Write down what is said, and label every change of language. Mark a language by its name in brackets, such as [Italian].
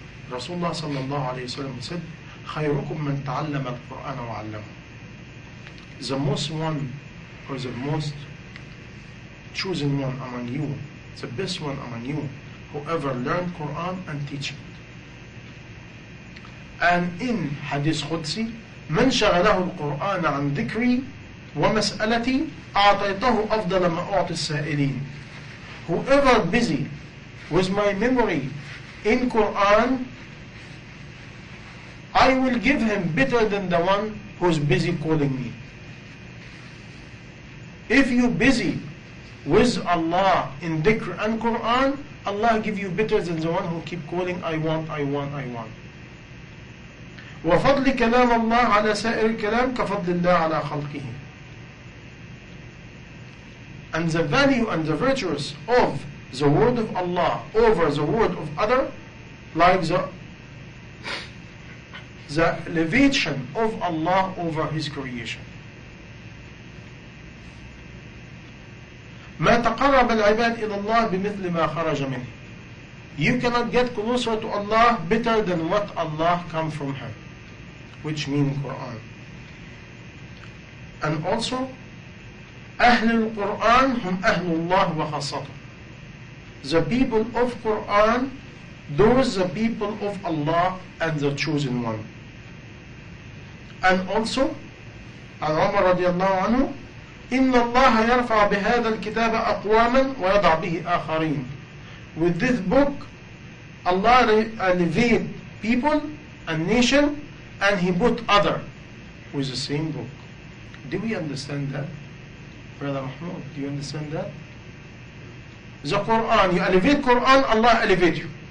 [English] Rasulullah sallallahu alayhi wa sallam said, [Arabic] خَيْرُكُمْ مَنْ تَعَلَّمَ الْقُرْآنَ وَعَلَّمُ [English] The most one, or the most chosen one among you, the best one among you, whoever learned Quran and teach it. And in Hadith Qudsi, [Arabic] من شغله القرآن عن ذكري ومسألتي أعطيته أفضل ما أعطي السائلين. [English] Whoever busy with my memory in Quran, I will give him better than the one who's busy calling me. If you busy with Allah in dhikr and Quran, Allah give you better than the one who keep calling, I want, I want, I want. [Arabic] وَفَضْلِ كَلَامَ اللَّهِ عَلَى سَائِرِ الْكَلَامِ كَفَضْلِ اللَّهِ عَلَى خَلْقِهِ. [English] And the value and the virtues of the word of Allah over the word of other, like the elevation of Allah over his creation. [Arabic] مَا تَقَرَّبَ الْعِبَادِ إِلَى اللَّهِ بِمِثْلِ مَا خَرَجَ مِنْهِ. [English] You cannot get closer to Allah better than what Allah come from him, which means Quran. And also, [Arabic] أهل القرآن هم أهل الله وخاصته. [English] The people of Quran, those the people of Allah and the chosen one. And also, [Arabic] عن عمر رضي الله عنه, إن الله يرفع بهذا الكتاب أقواما ويضع به آخرين. [English] With this book, Allah elevate people and nation, and He put other with the same book. Do we understand that? Brother Mahmoud, do you understand that? The Quran, you elevate Quran, Allah elevate you.